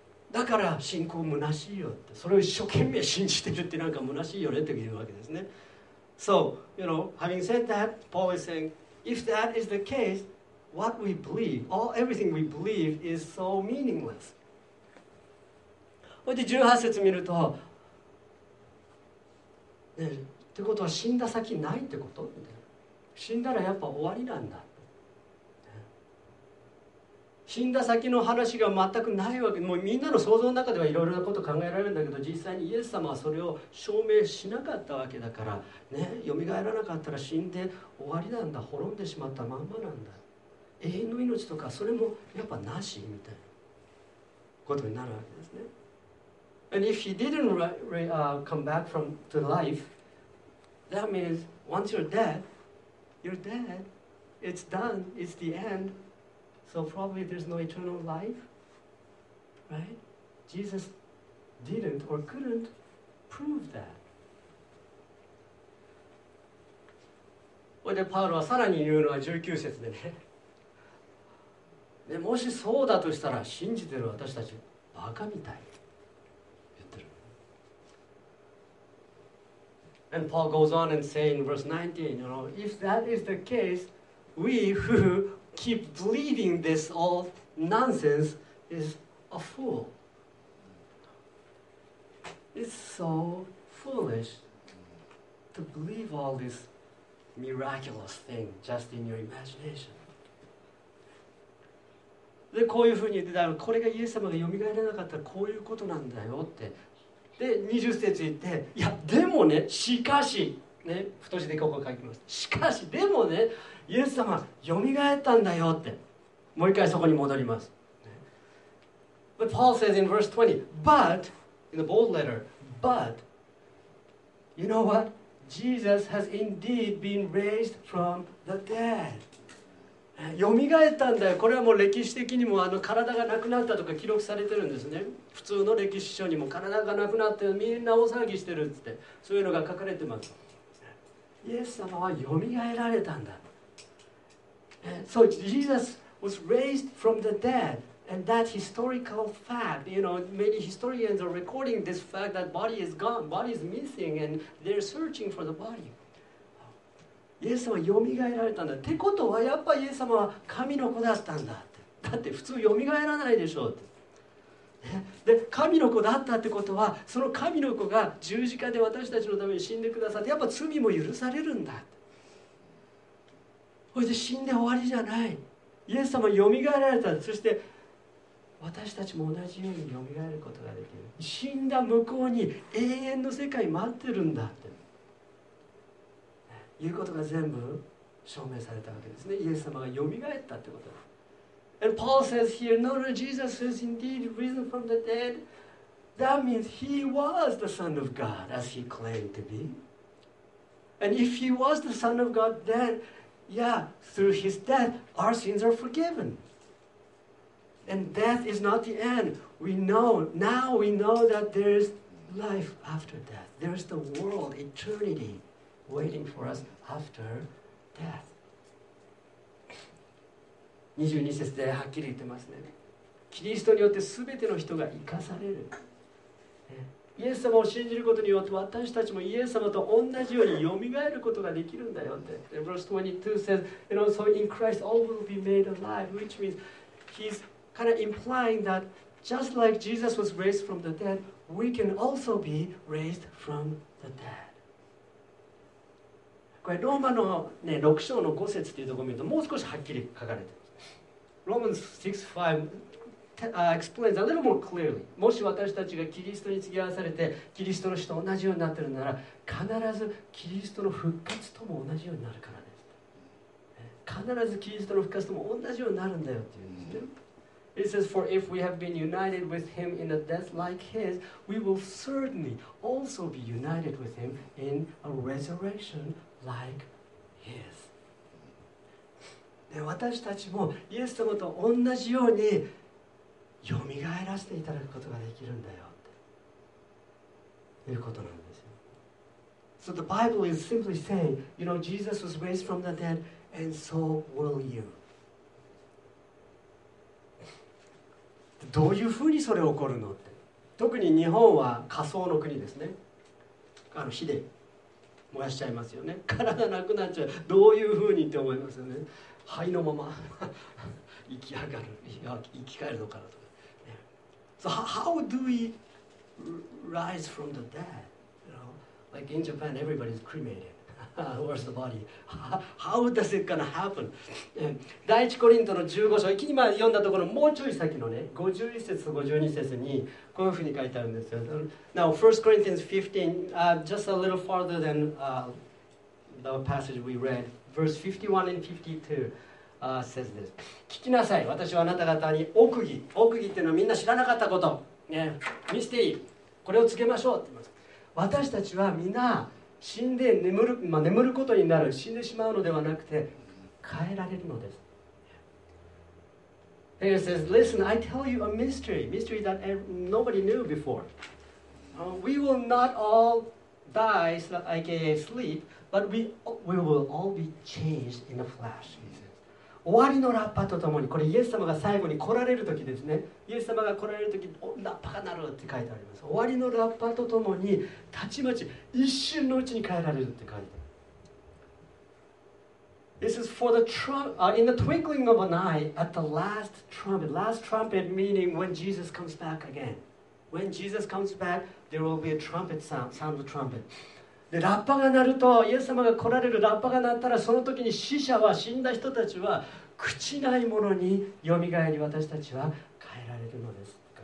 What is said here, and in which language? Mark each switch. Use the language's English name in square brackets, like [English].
[Japanese] だから信仰虚しいよって、それを一生懸命信じてるってなんか虚しいよねって言うわけですね。 [English] So, you know, having said that, Paul is saying, if that is the case, what we believe, all everything we believe is so meaningless. [Japanese] で、18節見ると、ね、ってことは死んだ先ないってこと？死んだらやっぱ終わりなんだ。死んだ先の話が全くないわけ。もうみんなの想像の中ではいろいろなことを考えられるんだけど、実際にイエス様はそれを証明しなかったわけだから、ね、蘇らなかったら死んで終わりなんだ、滅んでしまったまんまなんだ。永遠の命とかそれもやっぱなしみたいなことになるわけですね。 [English] And if he didn't come back from to life, that means once you're dead, it's done, it's the end. So probably there's no eternal life, right? Jesus didn't or couldn't prove that. [Japanese] で、パウロはさらに言うのは19節でね。で、もしそうだとしたら信じてる私たちバカみたい。言ってる。 [English] And Paul goes on and say in verse 19, you know, if that is the case, we who... keep believing this all nonsense is a fool. It's so foolish to believe all this miraculous thing just in your imagination. [Japanese] で、こういうふうに言ってたら、これがイエス様が蘇らなかったらこういうことなんだよって。で、20節言って、いや、でもね、しかし、ね、太字でここ書きます。しかし、でもね、イエス様、蘇ったんだよって。もう一回そこに戻ります。 [English] But Paul says in verse 20, but, in the bold letter, but, you know what? Jesus has indeed been raised from the dead. [Japanese] 蘇ったんだよ。これはもう歴史的にも体がなくなったとか記録されてるんですね。普通の歴史書にも体がなくなってみんな大騒ぎしてるって。そういうのが書かれてます。イエス様は蘇られたんだ。 [English] So Jesus was raised from the dead, and that historical fact, you know, many historians are recording this fact that body is gone, body is missing, and they're searching for the body. [Japanese] イエス様は蘇られたんだ。ってことはやっぱイエス様は神の子だったんだって。だって普通蘇らないでしょうって。で、神の子だったってことは、その神の子が十字架で私たちのために死んでくださって、やっぱ罪も許されるんだって。それで死んで終わりじゃない。イエス様よみがえられた。そして私たちも同じようによみがえることができる。死んだ向こうに永遠の世界待ってるんだって。いうことが全部証明されたわけですね。イエス様がよみがえったってこと。 [English] And Paul says here, no, no, Jesus is indeed risen from the dead. That means he was the Son of God as he claimed to be. And if he was the Son of God, then... Yeah, through his death, our sins are forgiven. And death is not the end. We know, now we know that there is life after death. There is the world, eternity, waiting for us after death. [Japanese] 22節ではっきり言ってますね。キリストによって全ての人が生かされる。イエス様を信じることによって私たちもイエス様と同じように蘇ることができるんだよって。 [English] Verse 22 says, you know, so in Christ all will be made alive, which means he's kind of implying that just like Jesus was raised from the dead, we can also be raised from the dead. [Japanese] これローマの、ね、6章の5節っていうところを見るともう少しはっきり書かれてます。 [English] Romans 6:5explains a little more clearly. [Japanese] もし私たちがキリストに次わされてキリストの死と同じようになっているなら必ずキリストの復活とも同じようになるからです。必ずキリストの復活とも同じようになるんだよっていうんですね。 [English] It says, for if we have been united with him in a death like his, we will certainly also be united with him in a resurrection like his. [Japanese] で、私たちもイエス様と同じようによみがえらせていただくことができるんだよっていうことなんですよ。 [English] So the Bible is simply saying, you know, Jesus was raised from the dead, and so will you. [Japanese] どういうふうにそれ起こるのって。特に日本は仮想の国ですね。あの火で燃やしちゃいますよね。体なくなっちゃう。どういうふうにって思いますよね。灰のまま生き上がる、生き返るのかなとか、ね。 [English] So how do we rise from the dead? You know, like in Japan, everybody's cremated. Where's the body? How does it gonna happen? [Japanese] 第一コリントの15章、今読んだところもうちょい先のね、51節と52節にこういうふうに書いてあるんですよ。 [English] Now, 1 Corinthians 15, just a little farther than the passage we read. Verse 51 and 52. Says this. [Japanese] 聞きなさい。私はあなた方に奥義。奥義っていうのはみんな知らなかったこと。ね、ミステリー。これをつけましょうって言います。私たちはみんな死んで眠る、まあ、眠ることになる。死んでしまうのではなくて、変えられるのです。 [English] And it says, listen, I tell you a mystery. Mystery that nobody knew before. We will not all die, aka sleep, but we will all be changed in a flash. [Japanese] 終わりのラッパとともに、これイエス様が最後に来られるときですね。イエス様が来られるとき、ラッパが鳴るって書いてあります。終わりのラッパとともに、たちまち一瞬のうちに変えられるって書いてある。 [English] This is for the trumpet, in the twinkling of an eye, at the last trumpet. Last trumpet meaning when Jesus comes back again. When Jesus comes back, there will be a trumpet sound, sound the trumpet. [Japanese] でラッパが鳴るとイエス様が来られるラッパが鳴ったらその時に死者は死んだ人たちは朽ちないものによみがえり私たちは変えられるのです。